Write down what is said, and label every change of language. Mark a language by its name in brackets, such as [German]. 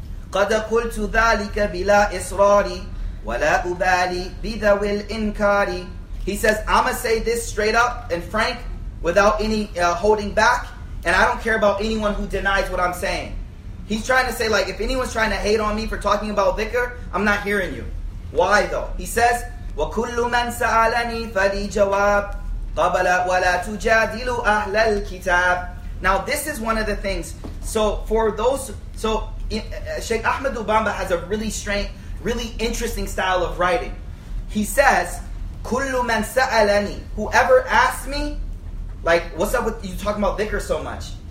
[Arabic] قَدْ قُلْتُ ذَٰلِكَ بِلَا إِصْرَارِ وَلَا أُبَالِي بِذَوِ الْإِنْكَارِ. [English] He says, I'ma say this straight up and frank without any holding back, and I don't care about anyone who denies what I'm saying. He's trying to say, like, if anyone's trying to hate on me for talking about dhikr, I'm not hearing you. Why though? He says, [Arabic] وَكُلُّ مَنْ سَأَلَنِي فَلِي جَوَابٍ قَبَلَ وَلَا تُجَادِلُ أَهْلَ الْكِتَابِ. [English] Now this is one of the things. So for those, so Sheikh Ahmed Ubamba has a really strange, really interesting style of writing. He says, [Arabic] كُلُّ مَنْ سَأَلَنِي, [English] whoever asks me, like, what's up with you talking about dhikr so much?